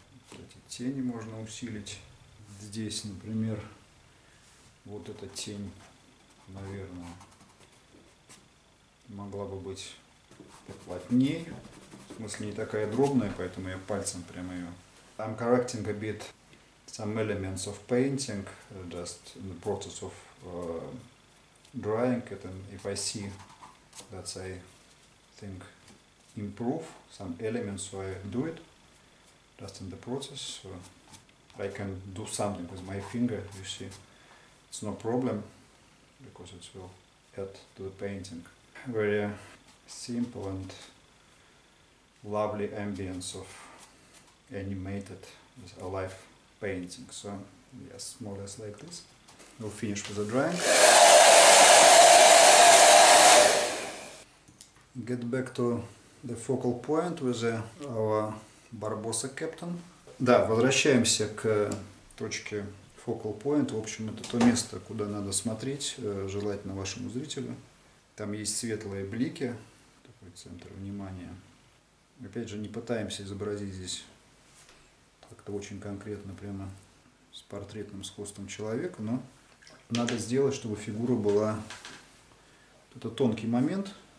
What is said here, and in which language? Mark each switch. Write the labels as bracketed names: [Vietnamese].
[Russian] Вот эти тени можно усилить. Здесь, например, вот эта тень, наверное, могла бы быть поплотнее. В смысле, не такая дробная, поэтому я пальцем прям ее... [English] I'm correcting a bit some elements of painting, just in the process of drying it, and if I see that I think improve some elements, so I do it just in the process. So I can do something with my finger, you see, it's no problem because it will add to the painting. Very simple and lovely ambience of animated with alive painting. So yes, more or less like this. We'll finish with the drawing. Get back to the focal point with our Barbossa captain. [Russian] Да, возвращаемся к точке focal point. В общем, это то место, куда надо смотреть, желательно вашему зрителю. Там есть светлые блики, такой центр внимания. Опять же, не пытаемся изобразить здесь как-то очень конкретно, прямо с портретным сходством человека, но надо сделать, чтобы фигура была... Это тонкий момент.